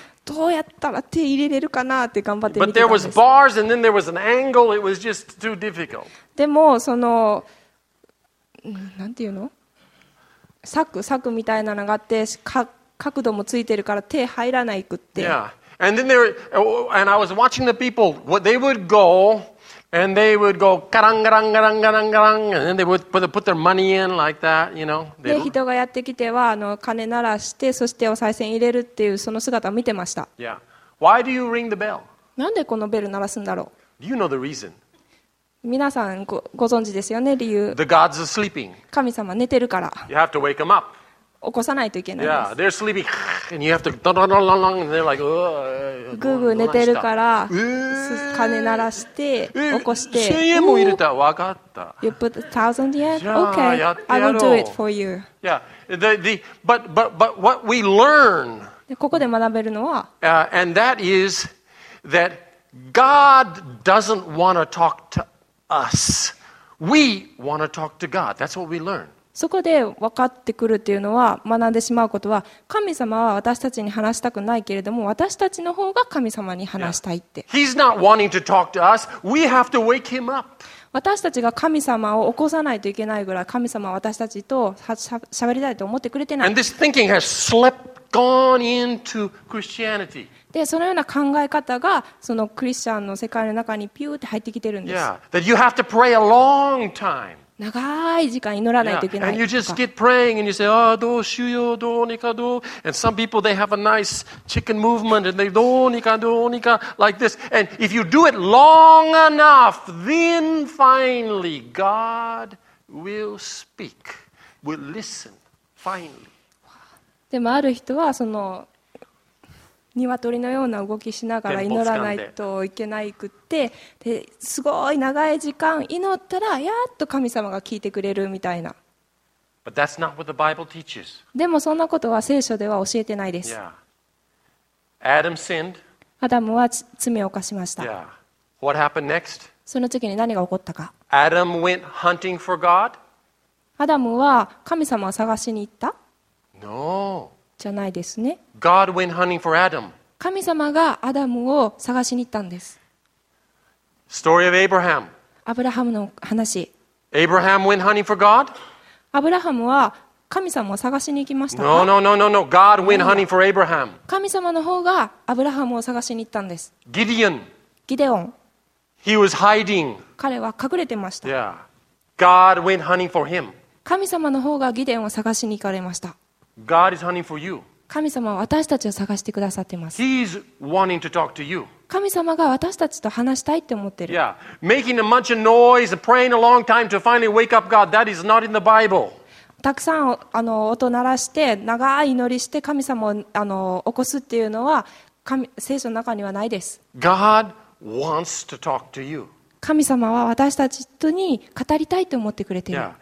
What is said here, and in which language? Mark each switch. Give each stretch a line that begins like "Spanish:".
Japanese: どうやったら手入れれるかなって頑張って見てたんです。
English: But there was bars and then there was an angle. It was just too difficult.
Japanese: でもそのなんていうの？柵みたいなのがあって角度もついてるから手入らないくって。
English: Yeah. And then there and I was watching the people. They would go and they would go ガランガランガランガランガラン and then they would put their money in like that, you know.
Japanese: で人がやってきては金鳴らしてそしてお賽銭入れるっていうその姿を見てました。
English: Yeah. Why do you ring the bell?
Japanese: なんでこのベル鳴らすんだろう。
English: Do you know the reason?
Japanese: 皆さんご存知ですよね理由。
English: The gods are sleeping.
Japanese: 神様寝てるから。
English: You have to wake them up.
Japanese: 起こさないといけないんです。
English: Yeah, they're sleeping and you have to ドドドドドドドド
Japanese: グーグー寝てるから金鳴らして起こして 1000円も入れた分かった
English: You put 1000 yen? Okay, I will do it for you. Yeah, but what we learn
Japanese: ここで学べるのは
English: and that is that God doesn't want to talk to us. We want to talk to God. That's what we learn.
Japanese: そこで分かってくるというのは学んでしまうことは神様は私たちに話したくないけれども私たちの方が神様に話したいって、
English: yeah. He's not wanting to talk to us. We have to wake him up.
Japanese: 私たちが神様を起こさないといけないぐらい神様は私たちと喋りたいと思ってくれてない
English: And this thinking has slept gone into Christianity.
Japanese: でそのような考え方がそのクリスチャンの世界の中にピューって入ってきてるんです
English: Yeah. That you have to pray a long time.
Japanese: 長い時間祈らないといけない。
English: And you just get praying and you say, ah,
Japanese: どうしよう、どうにかどう。
English: And some people, they have a nice chicken movement and they
Japanese: どうにかどうにか
English: like this. And if you do it long enough, then finally God will speak, will listen, finally.
Japanese: でもある人はその鶏のような動きしながら祈らないといけないくってですごい長い時間祈ったらやっと神様が聞いてくれるみたいな
English: But that's not what the Bible teaches.
Japanese: でもそんなことは聖書では教えてないです、
English: yeah. Adam sinned.
Japanese: アダムは罪を犯しました、
English: yeah. What happened next?
Japanese: その時に何が起こったか
English: Adam went hunting for God?
Japanese: アダムは神様を探しに行った
English: No.
Japanese: じゃないですね。
English: God went hunting for Adam.
Japanese: 神様がアダムを探しに行ったんです。
English: Story of Abraham.
Japanese: アブラハムの話。
English: Abraham went hunting for God?
Japanese: アブラハムは神様を探しに行きましたか?No.
English: God went hunting for Abraham.
Japanese: 神様の方がアブラハムを探しに行ったんです。
English: Gideon.
Japanese: ギデオン。
English: He was hiding.
Japanese: 彼は隠れてました。
English: Yeah. God went hunting for him.
Japanese: 神様の方がギデオンを探しに行かれました。
English: God is hunting for you.
Japanese: 神様は私たちを探してくださってます。
English: He's wanting to talk to you.
Japanese: 神様が私たちと話したいって思ってる。
English: Yeah. Making a bunch of noise, praying a long time to finally wake up God, that is not in the Bible.
Japanese: たくさん音鳴らして、長い祈りして神様を起こすっていうのは聖書の中にはないです。
English: God wants to talk to you.
Japanese: 神様は私たちとに語りたいと思ってくれている。